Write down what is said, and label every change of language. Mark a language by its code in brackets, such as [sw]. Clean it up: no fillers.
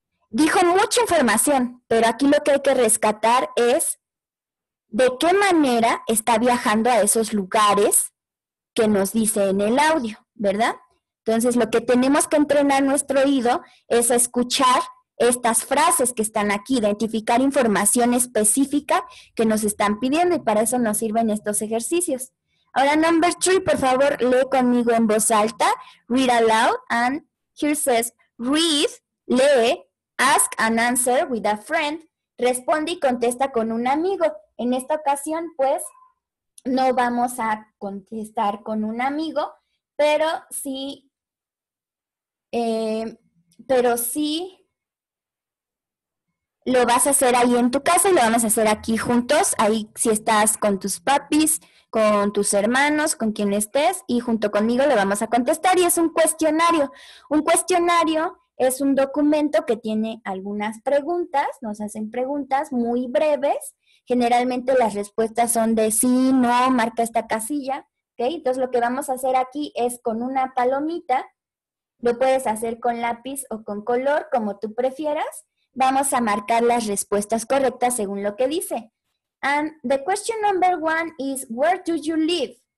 [es] Dijo mucha información, pero aquí lo que hay que rescatar es de qué manera está viajando a esos lugares que nos dice en el audio, ¿verdad? Entonces, lo que tenemos que entrenar nuestro oído es escuchar estas frases que están aquí, identificar información específica que nos están pidiendo y para eso nos sirven estos ejercicios. Ahora, number 3, por favor, lee conmigo en voz alta. [en] Read aloud, and here says, read, lee, ask and answer with a friend. [es] responde y contesta con un amigo. En esta ocasión, pues, no vamos a contestar con un amigo, pero sí lo vas a hacer ahí en tu casa y lo vamos a hacer aquí juntos, ahí si estás con tus papis, con tus hermanos, con quien estés, y junto conmigo lo vamos a contestar. Y es un cuestionario. Un cuestionario es un documento que tiene algunas preguntas, nos hacen preguntas muy breves. Generalmente las respuestas son de sí, no, marca esta casilla, ¿ok? Entonces lo que vamos a hacer aquí es con una palomita, lo puedes hacer con lápiz o con color, como tú prefieras. Vamos a marcar las respuestas correctas según lo que dice. [en] And the question number one is, where do you live?